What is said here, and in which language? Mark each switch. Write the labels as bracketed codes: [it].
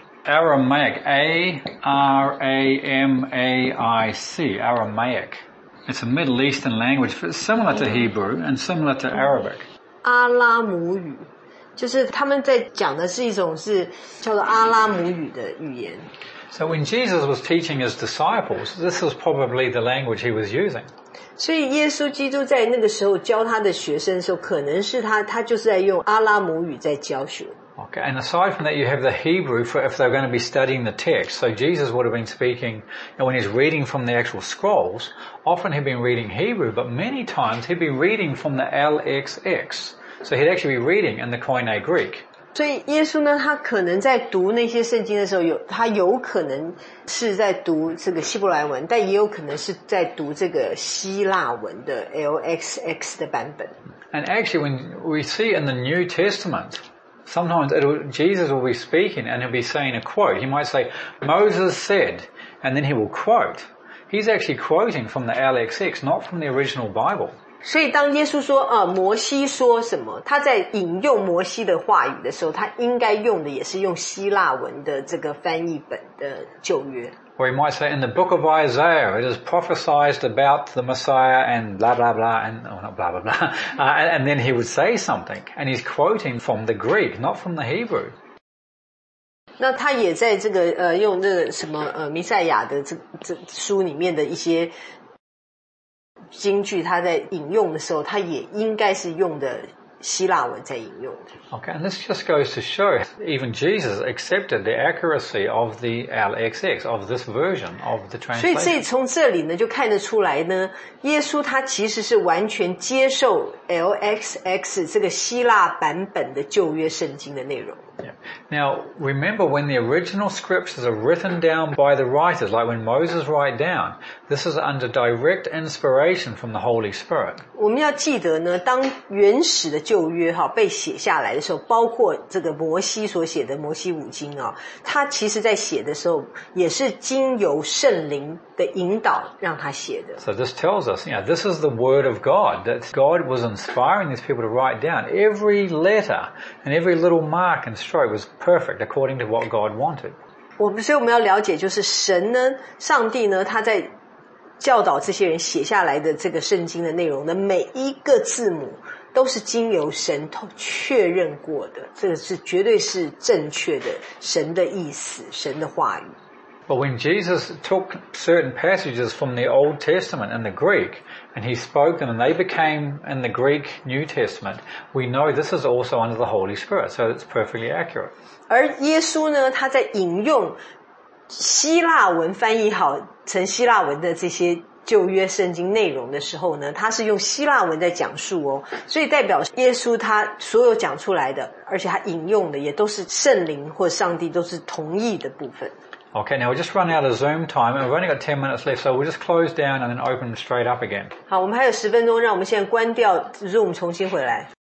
[en] Aramaic, A-R-A-M-A-I-C, Aramaic. It's a Middle Eastern language, but similar to Hebrew and similar to Arabic. [zh] 阿拉姆语就是他们在讲的是一种是叫做阿拉姆语的语言。 [en] So when Jesus was teaching his disciples, this was probably the language he was using. [zh] 所以耶稣基督在那个时候教他的学生的时候，可能是他就是在用阿拉姆语在教学。 [en] Okay, and aside from that, you have the Hebrew for if they're going to be studying the text. So Jesus would have been speaking, you know, when he's reading from the actual scrolls, often he'd been reading Hebrew, but many times he'd been reading from the LXX. So he'd actually be reading in the Koine Greek. [zh] 所以耶稣呢，他可能在读那些圣经的时候，他有可能是在读这个希伯来文，但也有可能是在读这个希腊文的 LXX 的版本。 [en] And actually, when we see in the New Testament, sometimes Jesus will be speaking and he'll be saying a quote. He might say, "Moses said," and then he will quote. He's actually quoting from the LXX, not from the original Bible. [zh] 所以当耶稣说摩西说什么，他在引用摩西的话语的时候，他应该用的也是用希腊文的这个翻译本的旧约。 [en] Or you might say, in the book of Isaiah, it is prophesied about the Messiah and blah, blah, blah, and, oh, not blah, blah, blah, and then he would say something, and he's quoting from the Greek, not from the Hebrew. [zh] 那他也在这个用这个什么弥赛亚的这书里面的一些京剧他在引用的时候，他也应该是用的希腊文在引用的。 [en] Okay, and this just goes to show even Jesus accepted the accuracy of the LXX, of this version of the translation. [zh] 所以从这里呢，就看得出来呢，耶稣他其实是完全接受 LXX 这个希腊版本的旧约圣经的内容。 [en] Yeah. Now, remember when the original scriptures are written down by the writers, like when Moses write down, this is under direct inspiration from the Holy Spirit. [zh] 我们要记得呢，当原始的旧约哈被写下来的时候，包括这个摩西所写的摩西五经啊，他其实在写的时候也是经由圣灵的引导让他写的。 [en] So this tells us, yeah, this is the word of God, that God was inspiring these people to write down. Every letter and every little mark and stroke was perfect according to what God wanted. [zh] 所以我们要了解就是神呢，上帝呢，他在教导这些人写下来的这个圣经的内容呢，每一个字母都是经由神确认过的，这个是绝对是正确的，神的意思，神的话语。 [en] But when Jesus took certain passages from the Old Testament and the Greek, and he spoke them and they became in the Greek New Testament, we know this is also under the Holy Spirit, so it's perfectly accurate. [zh] 而耶稣呢，他在引用希腊文翻译好成希腊文的这些旧约圣经内容的时候呢，他是用希腊文在讲述哦，所以代表耶稣他所有讲出来的，而且他引用的也都是圣灵或上帝都是同意的部分。 [en] Okay, now we're just running out of Zoom time and we've only got 10 minutes left, so we'll just close down and then open straight up again. [zh] 好，我们还有10分钟，让我们现在关掉 Zoom 重新回来。